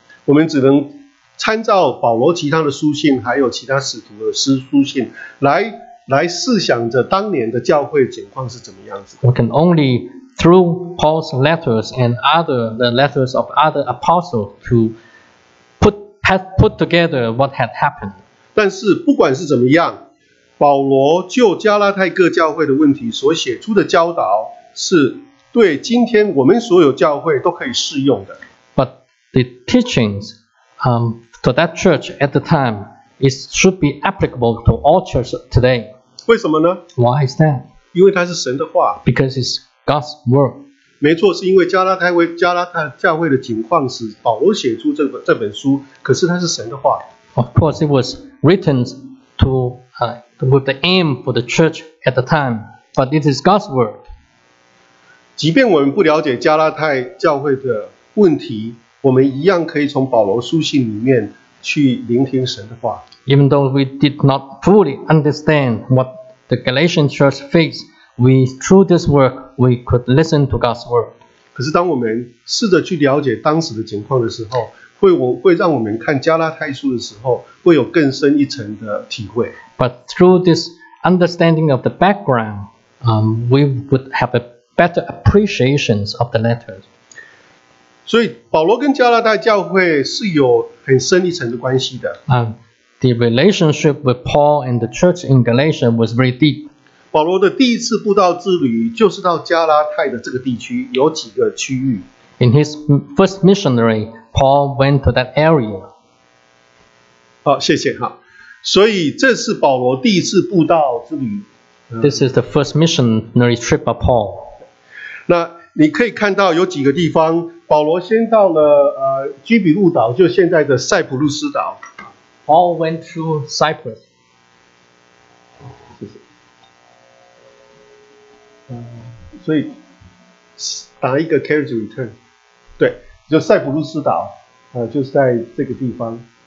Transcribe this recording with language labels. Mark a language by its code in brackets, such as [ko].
[zh] 我们只能参照保罗其他的书信，还有其他使徒的书信，来试想着当年的教会情况是怎么样子。 [en] We can only through Paul's letters and the letters of other apostles to put together what had happened. [zh] 但是不管是怎么样，保罗就加拉太各教会的问题所写出的教导是对今天我们所有教会都可以适用的。 [en] But the teachings to that church at the time it should be applicable to all churches today. [zh] 为什么呢？ [en] Why is that? [zh] 因为它是神的话。 [en] Because it's God's word. [zh] 没错，是因为加拉太教会的情况使保罗写出这本书，可是它是神的话。 [en] Of course, it was written to with the aim for the church at the time, but it is God's word. [zh] 即便我们不了解加拉太教会的问题，我们一样可以从保罗书信里面去聆听神的话。 [en] Even though we did not fully understand what the Galatian church faced, we through this work we could listen to God's word. [zh] 可是当我们试着去了解当时的情况的时候，会让我们看加拉太书的时候，会有更深一层的体会。 [en] But through this understanding of the background, we would have a better appreciation of the letters. [zh] 所以保罗跟加拉太教会是有很深一层的关系的。 [en] The relationship with Paul and the church in Galatia was very deep. [zh] 保罗的第一次布道之旅就是到加拉太的这个地区，有几个区域。 [en] In his first missionary, Paul went to that area. [zh] 好，谢谢哈。所以这是保罗第一次布道之旅。 [en] This is the first missionary trip of Paul. [zh] 那你可以看到有几个地方，保罗先到了居比路岛，就现在的塞浦路斯岛。 [en] Paul went to Cyprus. [zh] 谢谢。所以打一个 [en] carriage return， [zh] 对，就塞浦路斯岛，就是在这个地方。